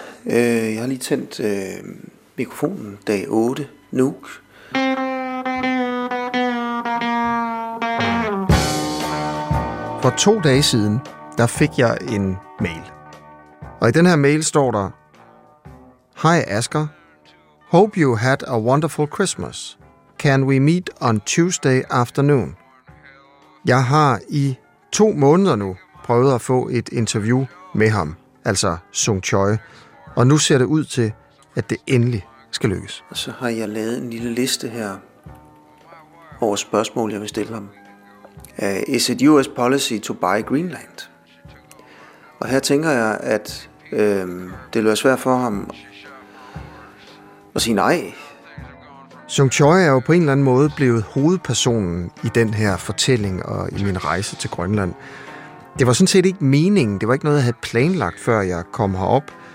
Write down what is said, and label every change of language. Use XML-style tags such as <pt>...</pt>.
<da>Jeg har lige tændt mikrofonen dag 8 nu. For 2 dage siden, der fik jeg en mail. Og i den her mail står der: Hej Asger.</da> <en>Hope you had a wonderful Christmas. Can we meet on Tuesday afternoon?</en> <da>Jeg har i 2 måneder nu prøvet at få et interview med ham, altså Sung Choi, og nu ser det ud til, at det endelig skal lykkes. Så har jeg lavet en lille liste her over spørgsmål, jeg vil stille ham.</da> <en>Is it US policy to buy Greenland?</en> <da>Og her tænker jeg, at det løber svært for ham at sige nej. Sung Choi er jo på en eller anden måde blevet hovedpersonen i den her fortælling og i min rejse til Grønland. Det var sådan set ikke meningen, det var ikke noget, jeg havde planlagt, før jeg kom herop.</da>